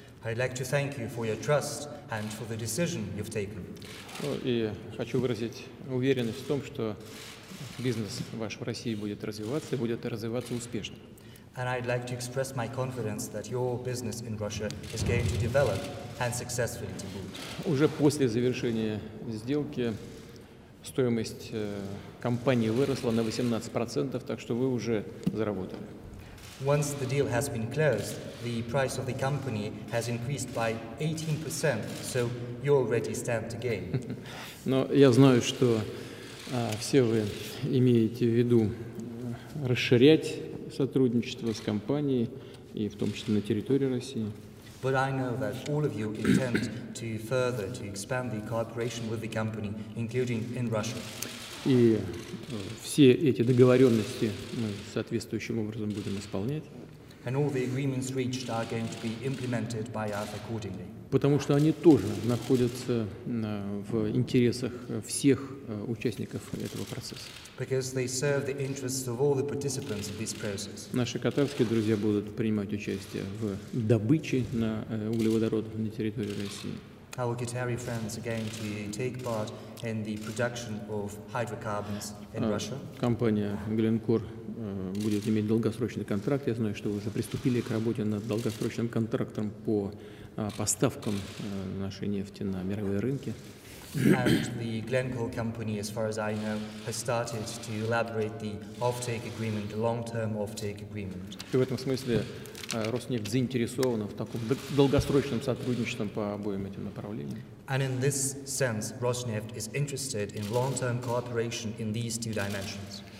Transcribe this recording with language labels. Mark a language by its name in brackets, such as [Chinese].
[English] I'd like to thank you for your trust and for the decision you've taken. [Russian] Ну, и хочу выразить уверенность в том, что бизнес ваш в России будет развиваться и будет развиваться успешно. [English] And I'd like to express my confidence that your business in Russia is going to develop and successfully to boot. [Russian] Уже после завершения сделки стоимость компании выросла на 18%, так что вы уже заработали. [English] Once the deal has been closed, the price of the company has increased by 18%, so you already stand to gain. [Russian] Но я знаю, что все вы имеете в виду расширять сотрудничество с компанией, и в том числе на территории России. [English] But I know that all of you intend to further to expand the cooperation with the company, including in Russia. [Russian] И все эти договоренности мы соответствующим образом будем исполнять. [English] And all the agreements reached are going to be implemented by us accordingly. [Russian] Потому что они тоже находятся в интересах всех участников этого процесса. [English] Because they serve the interests of all the participants of this process. [Russian] Наши катарские друзья будут принимать участие в добыче на углеводородов на территории России. [English] Our Qatari friends are going to take part in the production of hydrocarbons in Russia. [Russian] Компания Glencore будет иметь долгосрочный контракт. Я знаю, что вы уже приступили к работе над долгосрочным контрактом по поставкам нашей нефти на мировые рынки. [English] And the Glencore company, as far as I know, has started to elaborate the offtake agreement, the long-term offtake agreement. [Russian] И в этом смысле Роснефть заинтересована в таком долгосрочном сотрудничестве по обоим этим направлениям. [English] And in this sense, Rosneft is interested in long-term cooperation in these two dimensions.